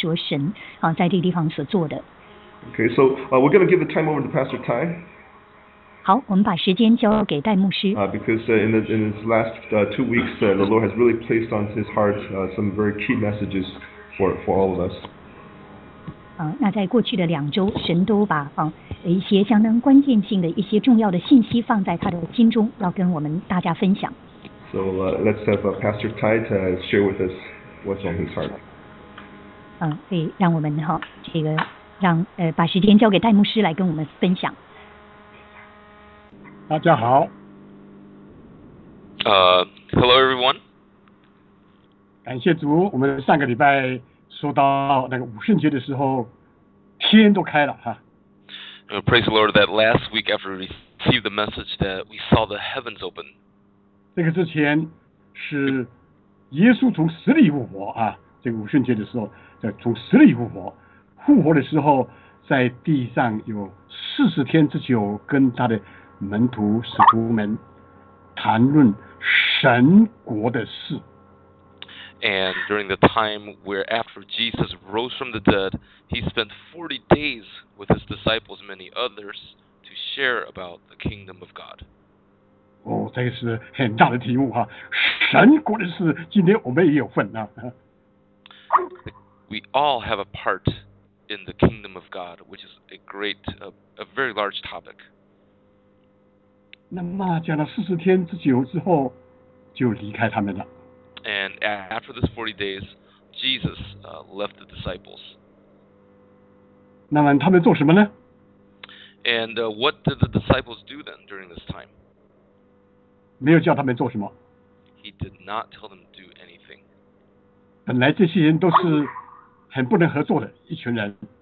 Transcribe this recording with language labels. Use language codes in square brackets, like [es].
[zh] 那我承诺给大家，我答应大家在接下来的几个星期，我要用更详细的方式跟大家来分享，具体说神在这个地方所做的。 [en] Okay, so we're going to give the time over to Pastor Tai. [zh] 好，我们把时间交给戴牧师。 [en] Because in his last 2 weeks, the Lord has really placed on his heart some very key messages for all of us. [zh] 那在过去的两周，神都把一些相当关键性的一些重要的信息放在他的心中，要跟我们大家分享。 [en] So let's have Pastor Tai to share with us what's on his heart. [zh] 可以让我们这个。把时间交给戴牧师来跟我们分享。大家好。 [en] Hello everyone. [zh] 感谢主，我们上个礼拜说到那个五旬节的时候，天都开了哈。 [en] Praise the Lord that last week after we received the message that we saw the heavens open. [zh] 这个之前是耶稣从死里复活啊，这个五旬节的时候在从死里复活，复活的时候在地上有四十天之久，跟他的门徒使徒们谈论神国的事。 [en] And during the time where after Jesus rose from the dead, he spent 40 days with his disciples and many others to share about the kingdom of God. [zh] 哦，这是很大的题目哈，神国的事，今天我们也有份啊。 [en] We all have a part in the kingdom of God, which is a great, a very large topic. [zh] 那么讲了四十天之久之后，就离开他们了。 [en] And after this 40 days, Jesus left the disciples. [zh] 那么他们做什么呢？ [en] And what did the disciples do then during this time? [zh] 没有叫他们做什么。 [en] He did not tell them to do anything. [zh] 本来这些人都是很不能合作的一群人。